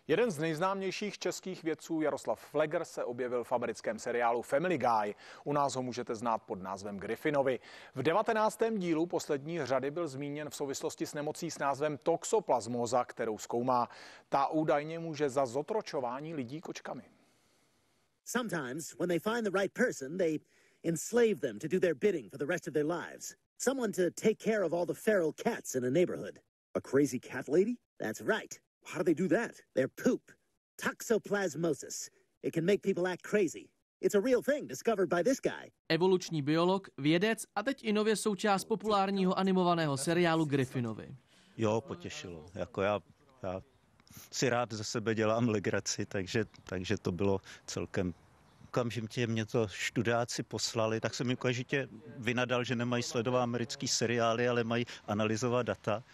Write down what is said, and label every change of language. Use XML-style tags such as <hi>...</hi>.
<cs>Jeden z nejznámějších českých vědců Jaroslav Pfleger se objevil v americkém seriálu Family Guy. U nás ho můžete znát pod názvem Griffinovi. V 19. dílu poslední řady byl zmíněn v souvislosti s nemocí s názvem toxoplasmóza, kterou zkoumá. Ta údajně může za zotročování lidí kočkami.</cs> <en>Sometimes when they find the right person, they enslave them to do their bidding for the rest of their lives. Someone to take care of all the feral cats in a neighborhood. A crazy cat lady? That's right. How do they do that? Their poop. Toxoplasmosis. It can make people act crazy. It's a real thing discovered by this guy.</en> <cs>Evoluční biolog, vědec a teď i nově součást populárního animovaného seriálu Griffinovi. Jo, potěšilo. Jako já si rád ze sebe dělám legraci, takže to bylo celkem. Okamžitě mě to študáci poslali, tak jsem mi okamžitě vynadal, že nemají sledovat americký seriály, ale mají analyzovat data.</cs>